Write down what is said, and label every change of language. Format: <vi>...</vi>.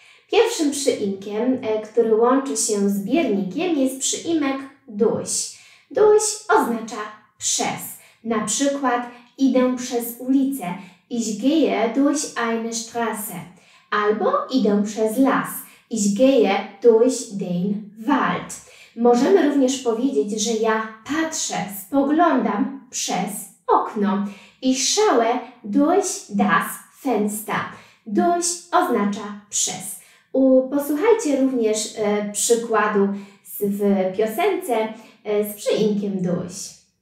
<pl>Pierwszym przyimkiem, który łączy się z biernikiem, jest przyimek durch. Durch oznacza przez. Na przykład idę przez ulicę.</pl> <de>Ich gehe durch eine Straße.</de> <pl>Albo idę przez las.</pl> <de>Ich gehe durch den Wald.</de> <pl>Możemy również powiedzieć, że ja patrzę, spoglądam przez okno.</pl> <de>Ich schaue durch das Fenster.</de> <pl>Durch oznacza przez. Posłuchajcie również przykładu w piosence z przyimkiem durch.</pl>